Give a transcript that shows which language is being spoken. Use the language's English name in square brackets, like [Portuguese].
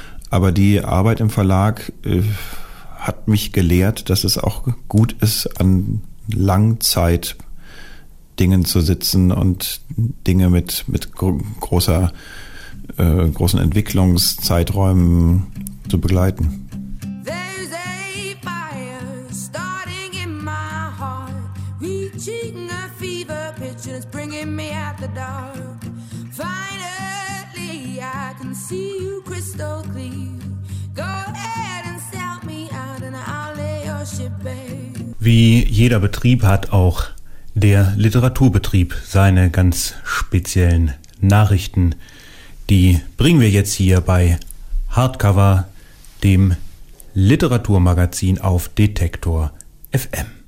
[German] Aber die Arbeit im Verlag hat mich gelehrt, dass es auch gut ist, an Langzeit Dingen zu sitzen und Dinge mit großen Entwicklungszeiträumen zu begleiten. [English] There's a fire starting in my heart, reaching a fever pitch and it's bringing me out the dark. Finally I can see you crystal clear. Go ahead and sell me out and I'll lay your ship bare. [German] Wie jeder Betrieb hat auch der Literaturbetrieb seine ganz speziellen Nachrichten. Die bringen wir jetzt hier bei Hardcover, dem Literaturmagazin auf Detektor FM.